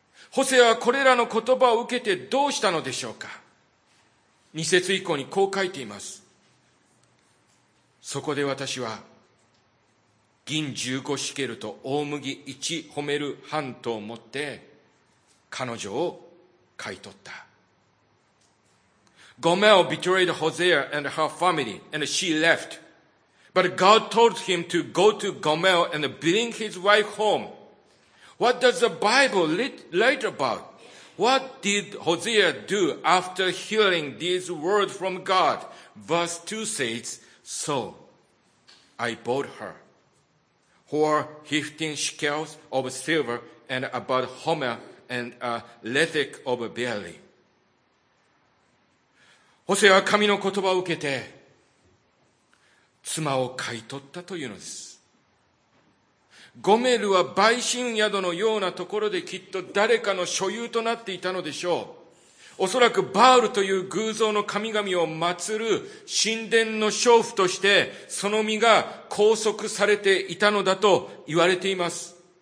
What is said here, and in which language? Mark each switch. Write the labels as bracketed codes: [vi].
[ja] ホセアはこれらの言葉を受けてどうしたのでしょうか。二節以降にこう書いています。そこで私は、銀十五シケルと大麦一ホメル半島を持って彼女を買い取った。 [en] Gomel betrayed Hosea and her family and she left. But God told him to go to Gomel and bring his wife home. What does the Bible write about? What did Hosea do after hearing these words from God? Verse 2 says, So I bought her. For 15 shekels of silver and about homer and a lethek of barley. [ja] ホセアは神の言葉を受けて妻を買い取ったというのです。ゴメルは売春宿のようなところできっと誰かの所有となっていたのでしょう。おそらくバールという偶像の神々を祀る神殿の娼婦としてその身が拘束されていたのだと言われています。